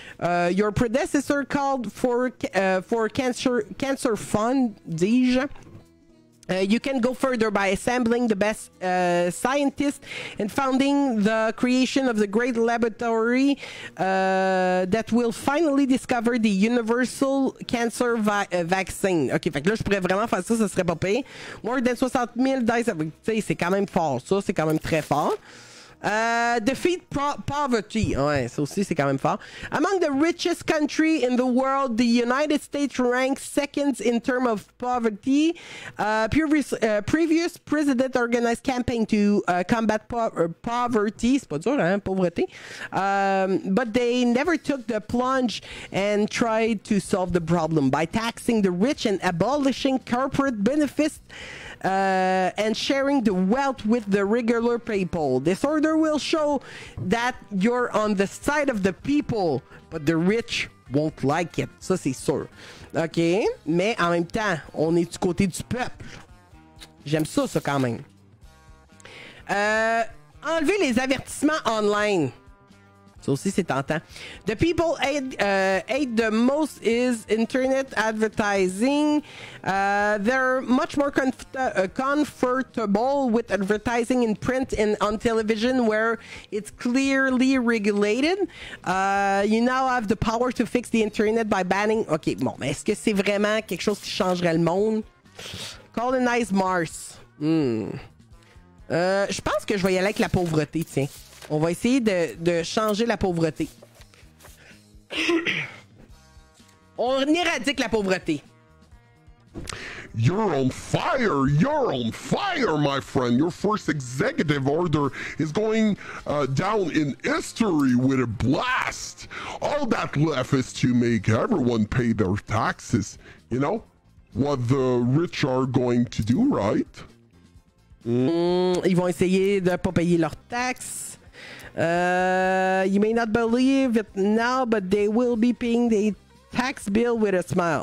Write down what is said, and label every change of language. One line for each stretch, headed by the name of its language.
English: Your predecessor called for cancer fund,
French: dis-je.
English: You can go further by assembling the best scientists and founding the creation of the great laboratory that will finally discover the universal cancer vaccine.
French: OK, fait que là, je pourrais vraiment faire ça, ça serait pas payé.
English: More than 60 000 dies,
French: tu sais, c'est quand même fort, ça, c'est quand même très fort.
English: Defeat poverty.
French: Ouais, ça aussi, c'est quand même fort.
English: Among the richest country in the world, the United States ranks second in terms of poverty. Previous president organized campaign to combat poverty.
French: C'est pas dur, hein, pauvreté.
English: But they never took the plunge and tried to solve the problem by taxing the rich and abolishing corporate benefits. And sharing the wealth with the regular people. This order will show that you're on the side of the people, but the rich won't like it.
French: Ça, c'est sûr. OK? Mais en même temps, on est du côté du peuple. J'aime ça, ça, quand même. Enlever les avertissements online. Ça aussi, c'est tentant.
English: The people hate the most is internet advertising. They're much more comfortable with advertising in print and on television where it's clearly regulated. You now have the power to fix the internet by banning...
French: OK, bon, mais est-ce que c'est vraiment quelque chose qui changerait le monde?
English: Colonize Mars.
French: Je pense que je vais y aller avec la pauvreté, tiens. On va essayer de changer la pauvreté. On éradique la pauvreté.
English: You're on fire! You're on fire, my friend! Your first executive order is going down in history with a blast! All that left is to make everyone pay their taxes. You know? What the rich are going to do, right?
French: Ils vont essayer de ne pas payer leurs taxes.
English: You may not believe it now, but they will be paying the tax bill with a smile.